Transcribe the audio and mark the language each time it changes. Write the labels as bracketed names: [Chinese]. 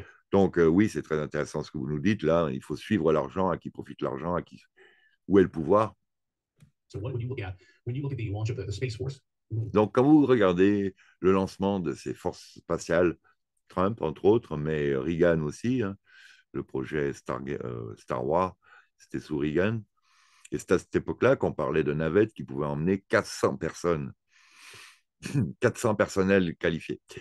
[French] Donc oui, c'est très intéressant ce que vous nous dites là. Il faut suivre l'argent, à qui profite l'argent, à qui, où est le pouvoir. [English] So what would you look at when you look at the launch of the Space Force? [French] Donc, quand vous regardez le lancement de ces forces spatiales, Trump, entre autres, mais Reagan aussi, hein, le projet Star Wars, c'était sous Reagan. Et c'est à cette époque-là qu'on parlait de navettes qui pouvaient emmener 400 personnes, 400 personnels qualifiés.